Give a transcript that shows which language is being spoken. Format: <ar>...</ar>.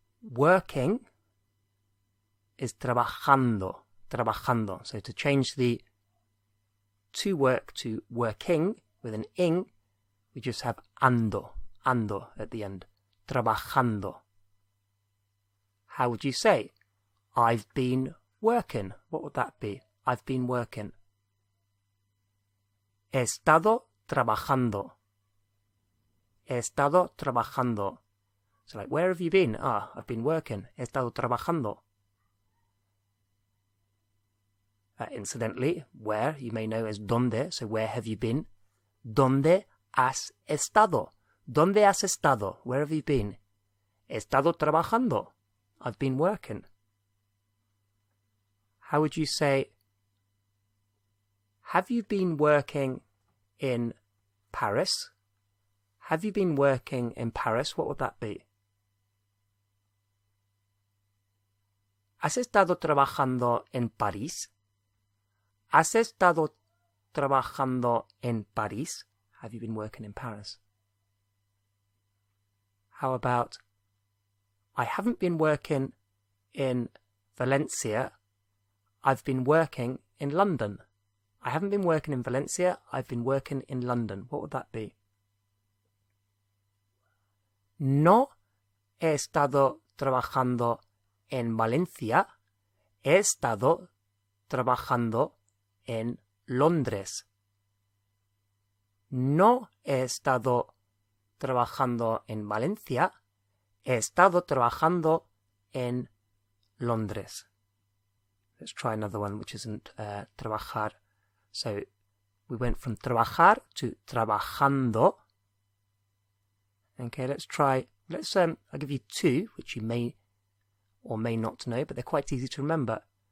<en>Working is trabajando, trabajando. So to change the to work to working with an ing, we just have ando, ando at the end, trabajando. How would you say, I've been working? What would that be? I've been working.</en> <es>He estado trabajando. He estado trabajando.</es> <en>So like, where have you been? Ah, I've been working. He estado trabajando. Incidentally, where, you may know, is donde. So where have you been? Donde has estado?</en> <es>Donde has estado? Where have you been? He estado trabajando. I've been working.</es> <en>How would you say, have you been working in Paris? Have you been working in Paris? What would that be?</en> <es>¿Has estado trabajando en París? ¿Has estado trabajando en París?</es> <en>Have you been working in Paris? How about, I haven't been working in Valencia. I've been working in London. I haven't been working in Valencia, I've been working in London. What would that be?</en> <es>No he estado trabajando en Valencia, he estado trabajando en Londres. No he estado trabajando en Valencia, he estado trabajando en Londres.</es> <en>Let's try another one, which isn't trabajar. So we went from trabajar to trabajando. Okay, let's try. I'll give you two, which you may or may not know, but they're quite easy to remember.</en>